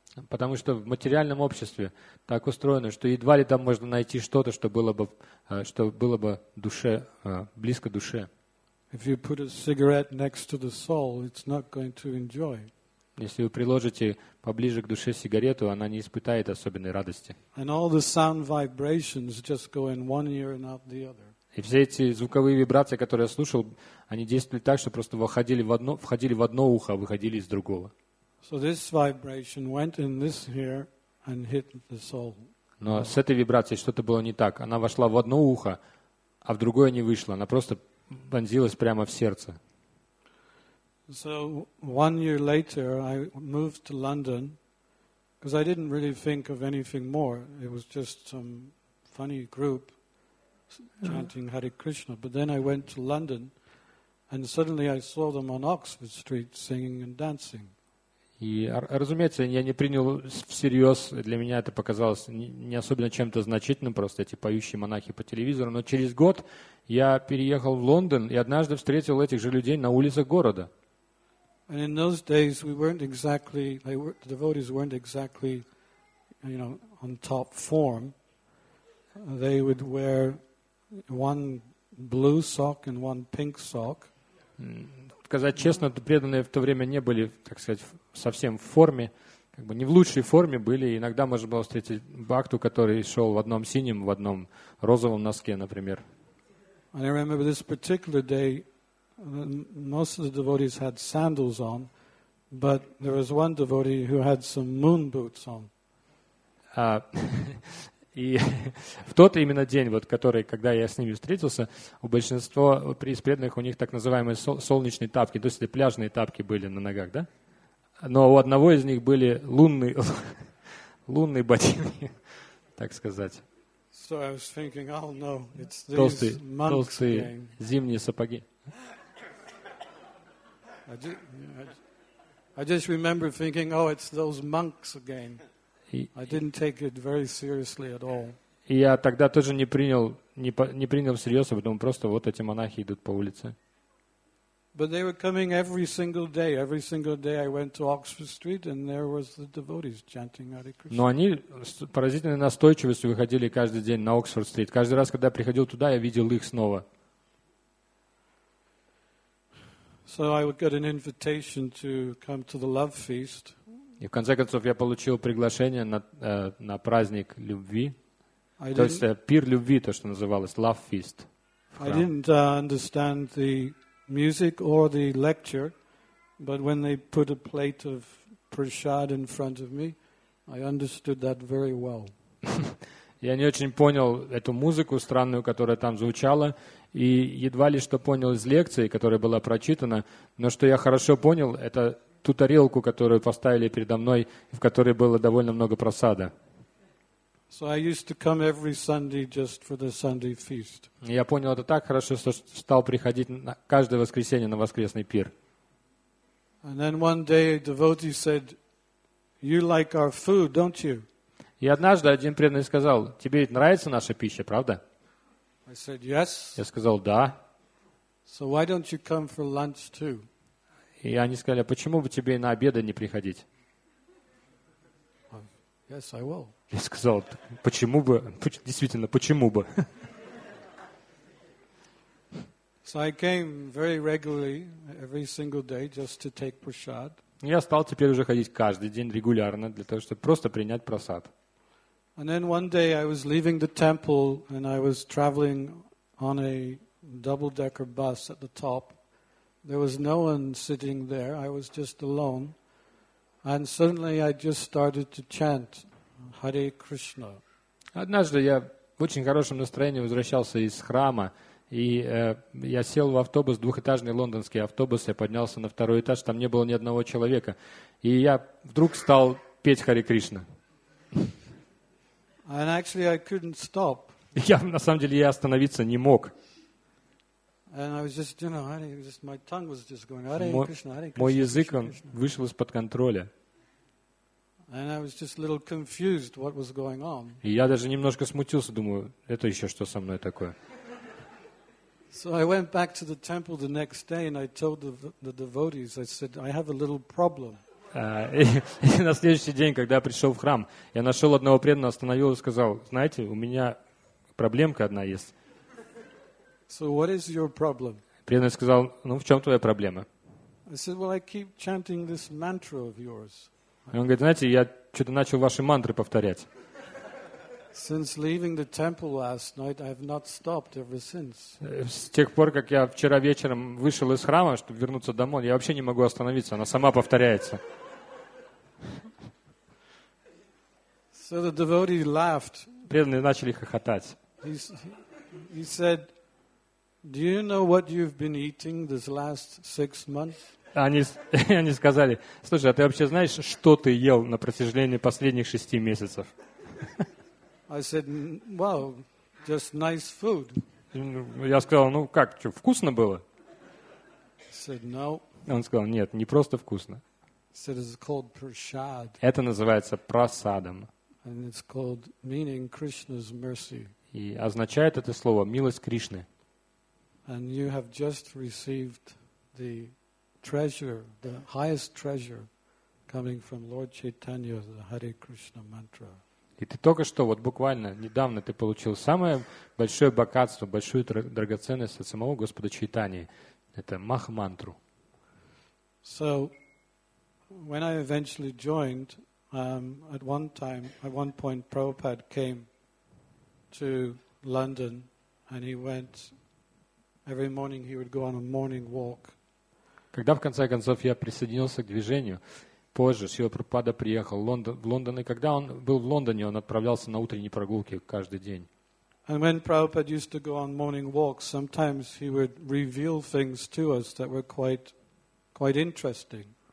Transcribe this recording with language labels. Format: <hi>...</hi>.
<ru>Потому что в материальном обществе так устроено, что едва ли там можно найти что-то, что было бы душе, близко душе.</ru> <en>If you put a cigarette next to the soul, it's not going to enjoy.</en> <ru>Если вы приложите поближе к душе сигарету, она не испытает особенной радости.</ru> <en>And all the sound vibrations just go in one ear and out the other.</en> <ru>И все эти звуковые вибрации, которые я слушал, они действовали так, что просто входили в одно ухо, а выходили из другого.</ru> <en>So this vibration went in this ear and hit the soul.</en> <ru>Но с этой вибрацией что-то было не так. Она вошла в одно ухо, а в другое не вышла. Она просто вонзилась прямо в сердце.</ru> <en>So one year later I moved to London because I didn't really think of anything more. It was just some funny group chanting Hare Krishna. But then I went to London and suddenly I saw them on Oxford Street singing and dancing.</en> <ru>И, разумеется, я не принял всерьез, для меня это показалось не особенно чем-то значительным, просто эти поющие монахи по телевизору. Но через год я переехал в Лондон и однажды встретил этих же людей на улицах города.</ru> <en>And in those days we weren't exactly, the devotees weren't exactly, you know, on top form. They would wear one blue sock and one pink sock.</en> <ru>Сказать честно, преданные в то время не были, так сказать, совсем в форме, как бы не в лучшей форме были. Иногда можно было встретить бхакту, который шел в одном синем, в одном розовом носке, например.</ru> <en>And I remember this particular day, Most of the devotees had sandals on, but there was one devotee who had some moon boots on.</en> <ru>И в тот именно день, вот, который, когда я с ними встретился, у большинства преданных у них так называемые солнечные тапки, то есть пляжные тапки были на ногах, да? Но у одного из них были лунные ботинки, так сказать.</ru> <en>So I was thinking, oh, no, it's these</en> <ru>толстые,</ru> <en>monks</en> <ru>толстые зимние сапоги.</ru> <en>I just remember thinking, oh, it's those monks again. I didn't take it very seriously at all.</en> <ru>И я тогда тоже не принял всерьез, а потом просто вот эти монахи идут по улице.</ru> <en>But they were coming every single day. Every single day I went to Oxford Street and there was the devotees chanting Hare Krishna.</en> <ru>Но они с поразительной настойчивостью выходили каждый день на Oxford Street. Каждый раз, когда я приходил туда, я видел их снова.</ru> <en>So I would get an invitation to come to the love feast.</en> <ru>И в конце концов я получил приглашение на праздник любви, то есть пир любви, то что называлось Love Feast.</ru> <en>I didn't understand the music or the lecture, but when they put a plate of prasad in front of me, I understood that very well.</en> <ru>Я не очень понял эту музыку странную, которая там звучала, и едва ли что понял из лекции, которая была прочитана, но что я хорошо понял, это ту тарелку, которую поставили передо мной, в которой было довольно много просада.</ru> <en>So I used to come every Sunday just for the Sunday feast.</en> <ru>Я понял это так хорошо, что стал приходить каждое воскресенье на воскресный пир.</ru> <en>And then one day a devotee said, "You like our food, don't you?"</en> <ru>И однажды один преданный сказал: "Тебе ведь нравится наша пища, правда?"</ru> <en>I said, "Yes."</en> <ru>Я сказал: "Да."</ru> <en>So why don't you come for lunch too?</en> <ru>И они сказали: а почему бы тебе на обеды не приходить?</ru> <en>Yes, I will.</en> <ru>Я сказал: почему бы? Действительно, почему бы?</ru> <en>So I came very regularly, every single day, just to take prasad.</en> <ru>Я стал теперь уже ходить каждый день регулярно для того, чтобы просто принять просад.</ru> <en>And then one day I was leaving the temple and I was traveling on a double-decker bus at the top. There was no one sitting there. I was just alone. And suddenly I just started to chant Hare Krishna.</en> <ru>Однажды я в очень хорошем настроении возвращался из храма, и я сел в автобус, двухэтажный лондонский автобус, я поднялся на второй этаж, там не было ни одного человека. И я вдруг стал петь Hare Krishna.</ru> <en>And actually I couldn't stop.</en> <ru>Я на самом деле я остановиться не мог.</ru> <en>And I was just, you know, my tongue was just going, Hare Krishna, Hare Krishna.</en> <ru>Мой язык вышел из-под контроля.</ru> <en>And I was just a little confused what was going on.</en> <ru>И я даже немножко смутился, думаю, это еще что со мной такое?</ru> <en>So I went back to the temple the next day and I told the devotees, I said, I have a little problem.</en> <ru>И на следующий день, когда я пришел в храм, я нашел одного преданного, остановил и сказал: знаете, у меня проблемка одна есть.</ru> <en>So what is your problem?</en> <ru>Преданный сказал: ну, в чем твоя проблема?</ru> <en>I said, well, I keep chanting this mantra of yours.</en> <ru>И он говорит: знаете, я что-то начал ваши мантры повторять.</ru> <en>Since leaving the temple last night, I have not stopped ever since.</en> <ru>С тех пор, как я вчера вечером вышел из храма, чтобы вернуться домой, я вообще не могу остановиться, она сама повторяется.</ru> <en>So the devotee laughed.</en> <ru>Преданные начали хохотать.</ru> <en>He said, do you know what you've been eating this last 6 months?</en> <ru>Они сказали: слушай, а ты вообще знаешь, что ты ел на протяжении последних 6 месяцев?</ru> <en>I said, well, just nice food.</en> <ru>Я сказал: ну как, что, вкусно было?</ru> <en>He said, no.</en> <ru>Он сказал: нет, не просто вкусно.</ru> <en>He said, it's called prasad.</en> <ru>Это называется прасадом.</ru> <en>And it's called meaning Krishna's mercy.</en> <ru>И означает это слово милость Кришны.</ru> <en>And you have just received the treasure, the highest treasure, coming from Lord Chaitanya, the Hare Krishna mantra.</en> <ru>И ты только что, вот буквально недавно, ты получил самое большое богатство, большую драгоценность от самого Господа Чайтани. Это Мах-мантру.</ru> <en>So, when I eventually joined, at one point, Prabhupada came to London, and he went Every morning he would go on a morning walk.</en> <ru>Когда в конце концов я присоединился к движению, позже Шрила Прабхупада приехал в Лондон, и когда он был в Лондоне, он отправлялся на утренние прогулки каждый день.</ru> <en>And when Prabhupada used to go on morning walks, sometimes he would reveal things to us that were quite interesting.</en>